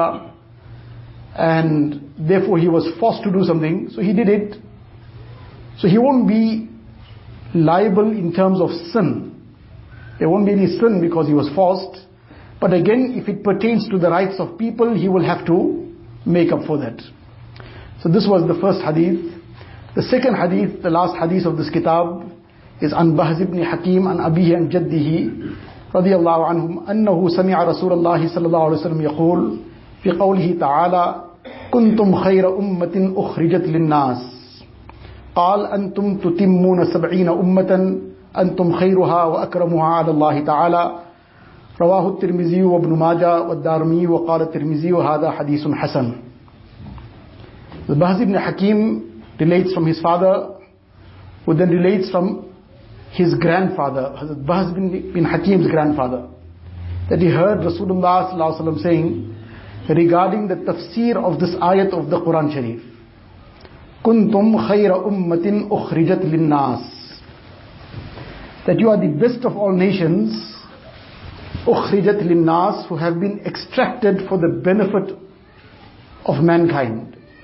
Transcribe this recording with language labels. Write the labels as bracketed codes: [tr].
[en] And therefore he was forced to do something, so he did it. So he won't be liable in terms of sin. There won't be any sin because he was forced. But again, if it pertains to the rights of people, he will have to make up for that. So this was the first hadith. [ar] The second hadith, the last hadith of this kitab, is عن بهز بن حكيم عن أبيه عن جده رضي الله عنهم أنه سمع رسول الله صلى الله عليه وسلم يقول في قوله تعالى كنتم خير أمة أخرجت للناس قال أنتم تتمون سبعين أمة أنتم خيرها وأكرمها على الله تعالى رواه الترمذي وابن ماجة والدارمي وقال الترمذي هذا حديث حسن. [en] بهز بن حكيم relates from his father, who then relates from his grandfather, Hazrat Bahz bin Hakim's grandfather, that he heard Rasulullah sallallahu alaihi wasallam saying regarding the tafsir of this ayat of the Quran Sharif, [ar] kuntum khayra ummatin ukhrijat linnas, [en] that you are the best of all nations, ukhrijat linnas, who have been extracted for the benefit of mankind.